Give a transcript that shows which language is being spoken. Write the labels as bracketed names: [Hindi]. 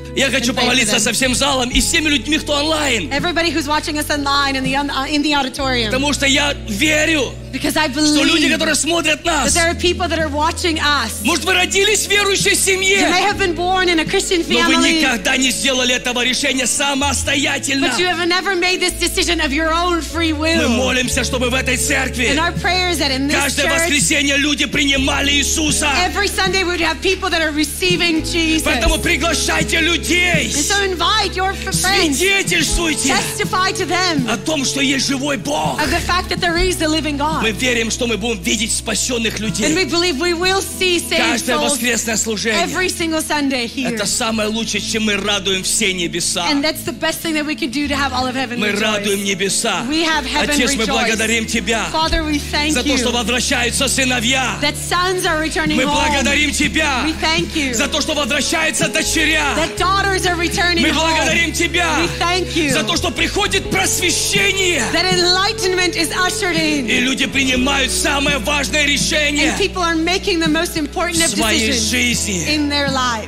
[Russian] Я хочу помолиться со всем залом и всеми людьми, кто онлайн. [English] Everybody who's watching us online in the auditorium. [Russian] Потому что я верю. [English] Because I believe. [Russian] Что люди, которые смотрят нас. [English] That there are people that are watching us. [Russian] Может, вы родились в верующей семье. [English] You may have been born in a Christian family. [Russian] Но вы никогда не сделали этого решения самостоятельно. [English] But you have never made this decision of your own free will. [Russian] Мы молимся, чтобы в этой церкви. [English] And our prayer is that in this church. [Russian] Каждое воскресенье люди принимали Иисуса. [English] Every Sunday we would have people that are receiving Jesus. [Russian] Поэтому приглашайте людей. [English] And so invite your friends. Testify to them [Russian] о том, что есть живой Бог. [English] Of the fact that there is a living God. [Russian] Мы верим, что мы будем видеть спасенных людей. [English] And we believe we will see saved souls. [Russian] Каждое воскресное служение. [English] Every single Sunday here. [Russian] Это самое лучшее, чем мы радуем все небеса. [English] And that's the best thing that we can do to have all of heaven. [Russian] Мы радуем небеса. [English] We have heaven rejoice. [Russian] Отец, мы благодарим тебя. [English] Father, we thank you. [Russian] За то, что возвращаются сыновья. [English] That sons are returning home. [Russian] Мы благодарим тебя. [English] We thank you. [Russian] За то, что возвращается дочеря. [English] Daughters are returning home. [Russian] Мы благодарим тебя. [English] We thank you. [Russian] За то, что приходит просвещение. [English] That enlightenment is ushered in. [Russian] И люди принимают самое важное решение. [English] And people are making the most important of decisions in their lives.